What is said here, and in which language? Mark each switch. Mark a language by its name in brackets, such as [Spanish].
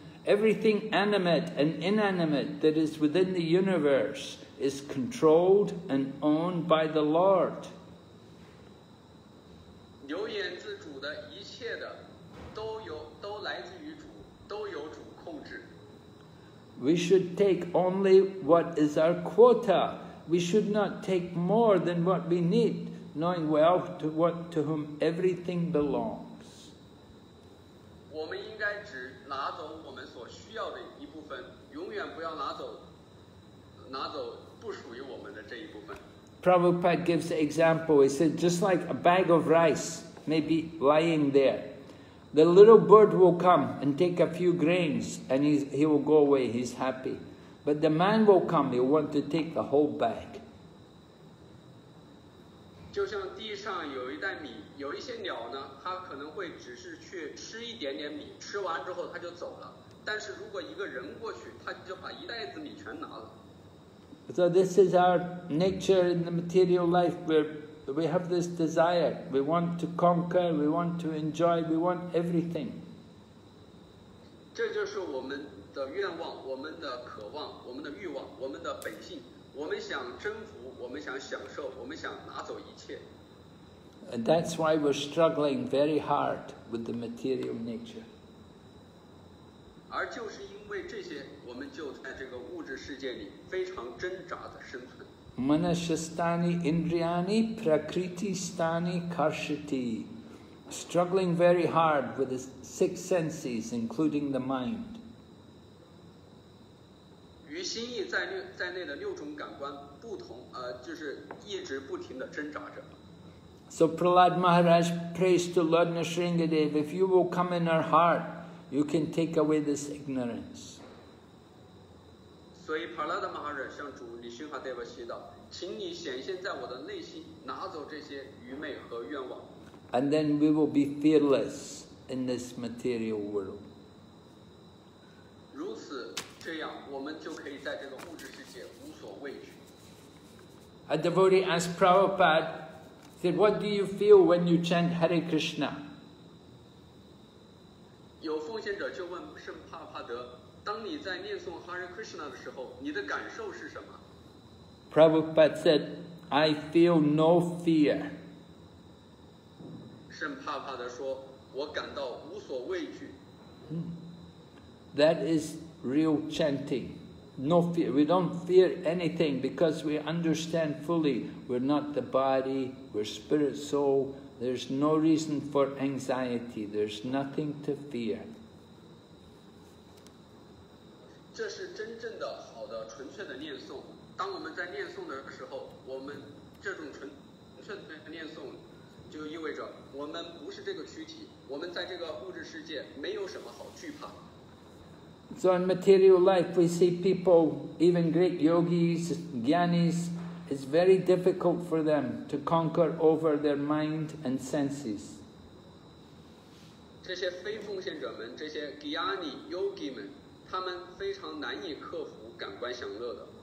[English] Everything animate and inanimate that is within the universe is controlled and owned by the Lord. [Chinese] 由言自主的一切的都来自于主，都由主控制。 [English] We should take only what is our quota. We should not take more than what we need, knowing well to whom everything belongs. [Chinese] 我们应该只拿走我们所需要的一部分，永远不要拿走不属于我们的这一部分。 [English] Prabhupada gives the example. He said, just like a bag of rice may be lying there, the little bird will come and take a few grains and he will go away, he's happy. But the man will come, he'll want to take the whole bag. [Chinese] 就像地上有一袋米，有一些鸟呢，它可能会只是去吃一点点米，吃完之后它就走了。但是如果一个人过去，他就把一袋子米全拿了。 [English] So this is our nature in the material life, where we have this desire. We want to conquer, we want to enjoy, we want everything. This is our desire, our And that's why we're struggling very hard with the material nature. [Chinese] 而就是因为这些，我们就在这个物质世界里非常挣扎的生存。 [Sanskrit] Manashastani Indriyani Prakriti Stani Karshati, [English] struggling very hard with the six senses, including the mind. [Chinese] 与心意在内在内的六种感官不同，就是一直不停的挣扎着。 [English] So Prahlad Maharaj prays to Lord Nrisimhadeva, if you will come in our heart, you can take away this ignorance. [Chinese] 所以 Prahlad Maharaj 向主 Nrisimhadeva 祈祷，请你显现在我的内心，拿走这些愚昧和愿望。 [English] And then we will be fearless in this material world. [Chinese] 如此这样，我们就可以在这个物质世界无所畏惧。 [English] A devotee asked Prabhupada. He said, what do you feel when you chant Hare Krishna? [Chinese] 有奉献者就问圣帕帕德，当你在念诵 Hare Krishna 的时候，你的感受是什么？ [English] Prabhupada said, I feel no fear. [Chinese] 圣帕帕德说，我感到无所畏惧。 [English] That is real chanting. No fear. We don't fear anything because we understand fully we're not the body. We're spirit soul, there's no reason for anxiety, there's nothing to fear. [Chinese] 这是真正的好的纯粹的念诵，当我们在念诵的时候，我们这种纯粹的念诵就意味着我们不是这个躯体，我们在这个物质世界没有什么好惧怕。 [English] So in material life we see people, even great yogis, jnanis,It's very difficult for them to conquer over their mind and senses. [Chinese] 这些非奉献者们，这些 Gyani Yogi 们，他们非常难以克服感官享乐的。